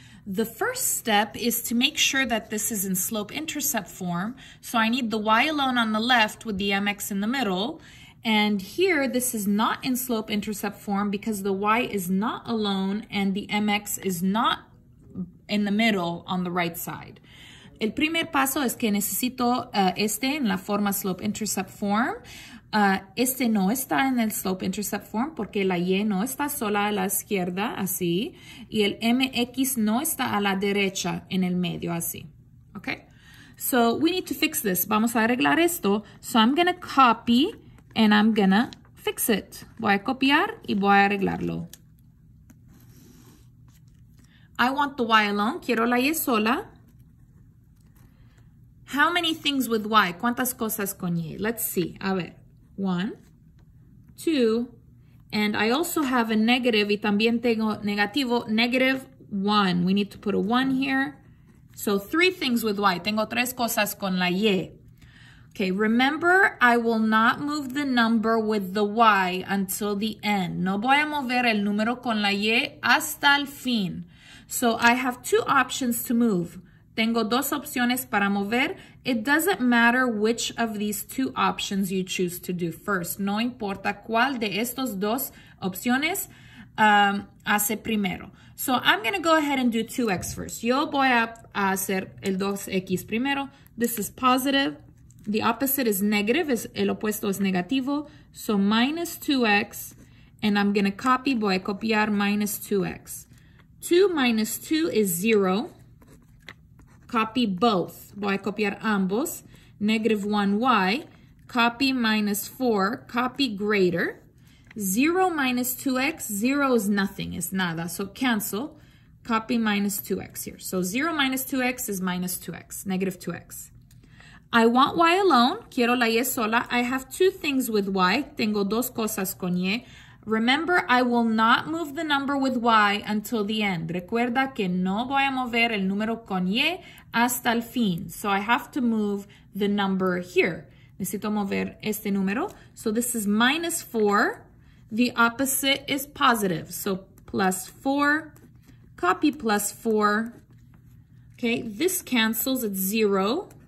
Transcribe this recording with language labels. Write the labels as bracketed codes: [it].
[en] The first step is to make sure that this is in slope-intercept form. So I need the y alone on the left with the mx in the middle. And here, this is not in slope-intercept form because the y is not alone and the mx is not in the middle on the right side. [es] El primer paso es que necesito este en la forma slope-intercept form. Este no está en el slope-intercept form porque la y no está sola a la izquierda, así. Y el mx no está a la derecha, en el medio, así. [en] Okay? So, we need to fix this. [es] Vamos a arreglar esto. [en] So, I'm going to copy and I'm going to fix it. [es] Voy a copiar y voy a arreglarlo. [en] I want the y alone. [es] Quiero la y sola. [en] How many things with y? [es] ¿Cuántas cosas con y? [en] Let's see. [es] A ver. [en] 1, 2, and I also have a negative, [es] y también tengo negativo, [en] -1. We need to put a 1 here. So 3 things with y. [es] Tengo 3 cosas con la y. [en] Okay, remember, I will not move the number with the y until the end. [es] No voy a mover el número con la y hasta el fin. [en] So I have 2 options to move. [es] Tengo 2 opciones para mover. [en] It doesn't matter which of these 2 options you choose to do first. [es] No importa cuál de estos 2 opciones hace primero. [en] So I'm going to go ahead and do 2x first. [es] Yo voy a hacer el 2x primero. [en] This is positive. The opposite is negative. [es] El opuesto es negativo. [en] So minus 2x. And I'm going to copy. [es] Voy a copiar [en] minus 2x. 2 minus 2 is 0. Copy both. [es] Voy a copiar ambos. -1y. [en] Copy -4. Copy greater. 0 minus 2x. 0 is nothing. It's nada. So cancel. Copy minus 2x here. So 0 minus 2x is minus 2x. -2x. I want y alone. [es] Quiero la y sola. [en] I have 2 things with y. [es] Tengo 2 cosas con y. [en] Remember, I will not move the number with y until the end. [es] Recuerda que no voy a mover el número con y hasta el fin. [en] So I have to move the number here. [es] Necesito mover este número. [en] So this is -4. The opposite is positive. So +4. Copy +4. Okay, this cancels. It's 0.